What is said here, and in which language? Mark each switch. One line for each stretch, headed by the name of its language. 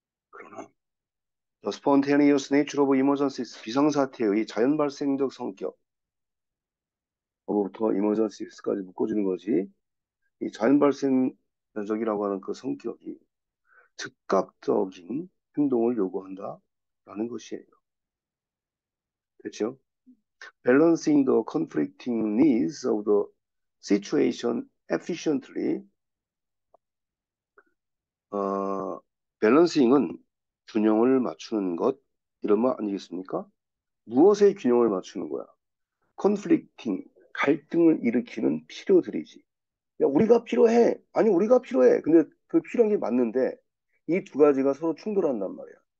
Korean: 그러나,
English: The spontaneous nature of emergencies,
Korean: 비상사태의 자연발생적 성격, 어부부터 emergencies까지 묶어주는 거지, 이 자연발생적이라고 하는 그 성격이 즉각적인 행동을 요구한다, 라는 것이에요. 됐죠?
English: Balancing the conflicting needs of the situation efficiently.
Korean: Balancing은 균형을 맞추는 것, 이런 말 아니겠습니까? 무엇에 균형을 맞추는 거야? conflicting, 갈등을 일으키는 필요들이지. 야, 우리가 필요해. 아니, 우리가 필요해. 근데 그 필요한 게 맞는데, 이두 가지가 서로 충돌한단 말이야.